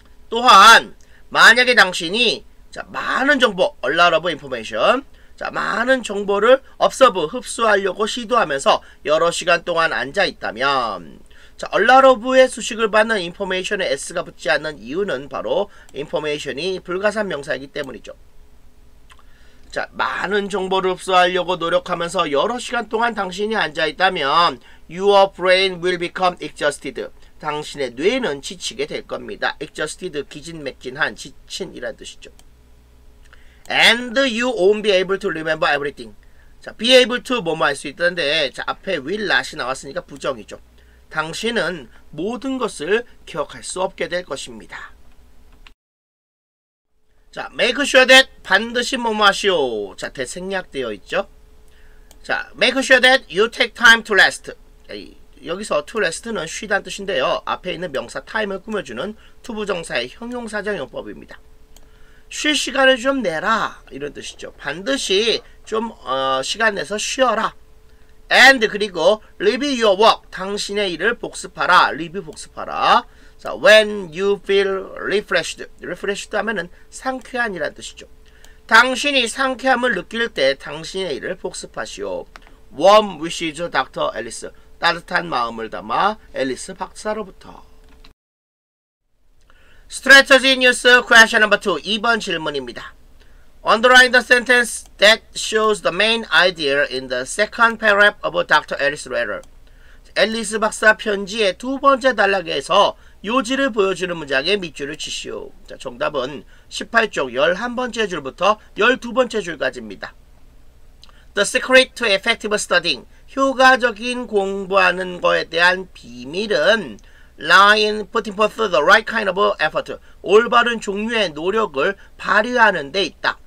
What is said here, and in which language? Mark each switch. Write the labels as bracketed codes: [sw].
[ko] 또한 만약에 당신이 자, 많은 정보, [en] a lot of information, [ko] 자, 많은 정보를 observe, 흡수하려고 시도하면서 여러 시간 동안 앉아있다면 자, a lot of의 수식을 받는 information에 s가 붙지 않는 이유는 바로 information이 불가산 명사이기 때문이죠. 자, 많은 정보를 흡수하려고 노력하면서 여러 시간 동안 당신이 앉아있다면 [en] Your brain will become exhausted. [ko] 당신의 뇌는 지치게 될 겁니다. Exhausted, 기진맥진한, 지친 이란 뜻이죠. [en] And you won't be able to remember everything. [ko] 자, be able to 뭐뭐 할 수 있던데 자, 앞에 will not이 나왔으니까 부정이죠. 당신은 모든 것을 기억할 수 없게 될 것입니다. 자, [en] make sure that [ko] 반드시 뭐뭐 하시오. 자, 대생략되어 있죠. [en] 자, make sure that you take time to rest. [ko] 에이, 여기서 to rest는 쉬다는 뜻인데요. 앞에 있는 명사 time을 꾸며주는 to 부정사의 형용사정용법입니다. 쉴 시간을 좀 내라 이런 뜻이죠. 반드시 좀 시간 내서 쉬어라. [en] And [ko] 그리고 [en] review your work. [ko] 당신의 일을 복습하라. [en] review [ko] 복습하라. [en] 자, when you feel refreshed. [ko] refreshed 하면은 상쾌한 이란 뜻이죠. 당신이 상쾌함을 느낄 때 당신의 일을 복습하시오. [en] warm wishes, Dr. Alice. [ko] 따뜻한 마음을 담아 앨리스 박사로부터. [en] Strategy News Question No. 2. [ko] 2번 질문입니다. [en] Underline the sentence that shows the main idea in the second paragraph of Dr. Ellis' letter. [ko] 앨리스 박사 편지의 두 번째 단락에서 요지를 보여주는 문장에 밑줄을 치시오. 자, 정답은 18쪽 11번째 줄부터 12번째 줄까지입니다. [en] The secret to effective studying, [ko] 효과적인 공부하는 것에 대한 비밀은 [en] lie in putting forth the right kind of effort, [ko] 올바른 종류의 노력을 발휘하는 데 있다.